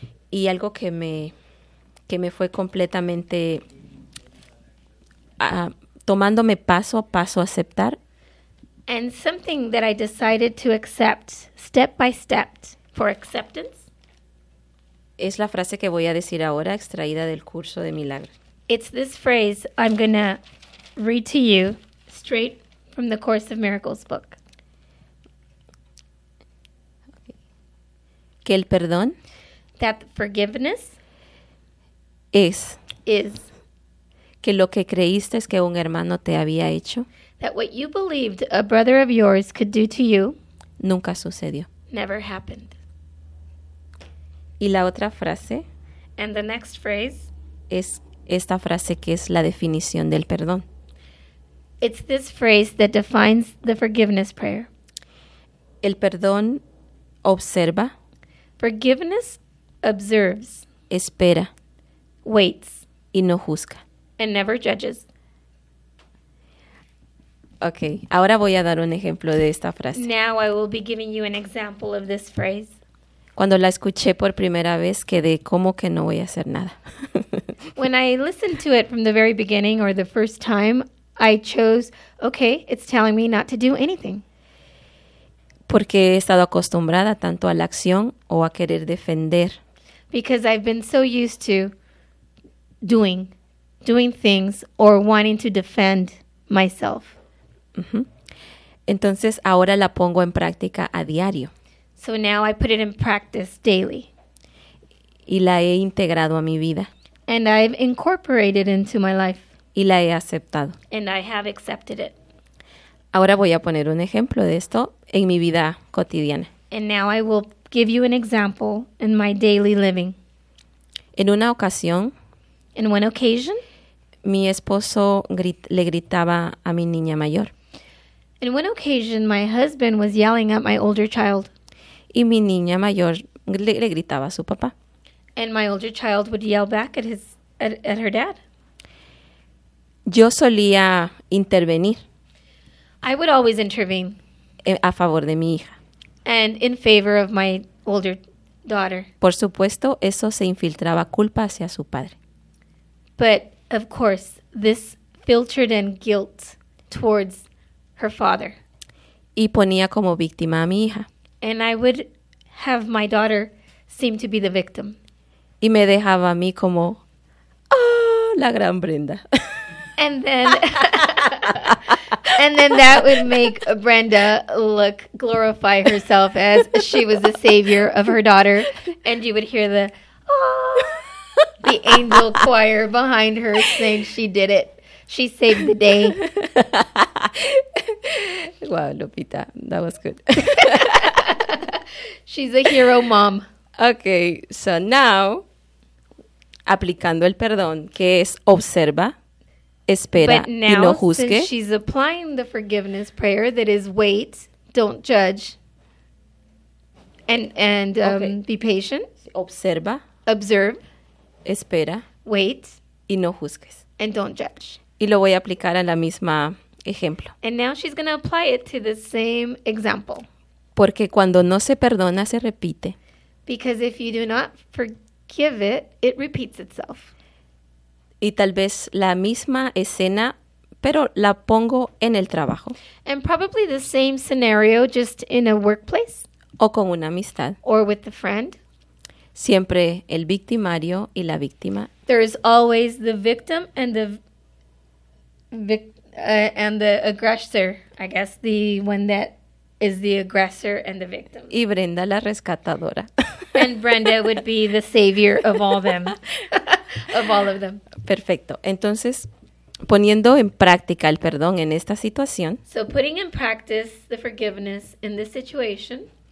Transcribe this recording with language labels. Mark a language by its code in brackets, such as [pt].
[es] Y algo que me fue completamente tomándome paso a paso a aceptar. [en] And something that I decided to accept step by step for acceptance. [es] Es la frase que voy a decir ahora extraída del curso de milagros. [en] It's this phrase I'm going to read to you straight from the Course of Miracles book. [es] Que el perdón, [en] that forgiveness, [es] is que lo que creíste es que un hermano te había hecho, [en] that what you believed a brother of yours could do to you, [es] nunca sucedió, [en] never happened. [es] Y la otra frase, [en] and the next phrase, [es] es esta frase que es la definición del perdón. [en] It's this phrase that defines the forgiveness prayer. [es] El perdón observa. [en] Forgiveness observes. [es] Espera. [en] Waits. [es] Y no juzga. [en] And never judges. Okay. [es] Ahora voy a dar un ejemplo de esta frase. [en] Now I will be giving you an example of this phrase. [es] Cuando la escuché por primera vez, quedé como que no voy a hacer nada. [en] When I listened to it from the very beginning or the first time, I chose, okay, it's telling me not to do anything. [es] Porque he estado acostumbrada tanto a la acción o a querer defender. [en] Because I've been so used to doing things or wanting to defend myself. Uh-huh. [es] Entonces ahora la pongo en práctica a diario. [en] So now I put it in practice daily. [es] Y la he integrado a mi vida. [en] And I've incorporated into my life. [es] Y la he aceptado. [en] And I have accepted it. [es] Ahora voy a poner un ejemplo de esto en mi vida cotidiana. [en] And now I will give you an example in my daily living. [es] En una ocasión. [en] In one occasion. [es] Mi esposo le gritaba a mi niña mayor. [en] In one occasion, my husband was yelling at my older child. [es] Y mi niña mayor le gritaba a su papá. [en] And my older child would yell back at her dad. [es] Yo solía intervenir. [en] I would always intervene. [es] A favor de mi hija. [en] And in favor of my older daughter. [es] Por supuesto, eso se infiltraba culpa hacia su padre. [en] But of course, this filtered in guilt towards her father. [es] Y ponía como víctima a mi hija. [en] And I would have my daughter seem to be the victim. [es] Y me dejaba a mí como, ¡oh, la gran Brenda! [en] And then that would make Brenda glorify herself as she was the savior of her daughter. And you would hear the angel choir behind her saying she did it. She saved the day. Wow, Lupita, that was good. She's a hero mom. Okay, so now, [es] aplicando el perdón, que es observa, espera, [en] but now, [es] y no juzgue. [en] Since she's applying the forgiveness prayer, that is wait, don't judge, and be patient. [es] Observa. [en] Observe. [es] Espera. [en] Wait. [es] Y no juzgues. [en] And don't judge. [es] Y lo voy a aplicar a la misma ejemplo. [en] And now she's going to apply it to the same example. [es] Porque cuando no se perdona, se repite. [en] Because if you do not forgive it, it repeats itself. [es] Y tal vez la misma escena, pero la pongo en el trabajo. [en] And probably the same scenario, just in a workplace. [es] O con una amistad. [en] Or with a friend. [es] Siempre el victimario y la víctima. [en] There is always the victim and the aggressor, I guess, the one that is the aggressor and the victim. [es] Y Brenda la rescatadora. [en] And Brenda would be the savior of all them, of all of them. [es] Perfecto. Entonces, poniendo en práctica el perdón en esta situación. [en] So putting in practice the forgiveness in this situation.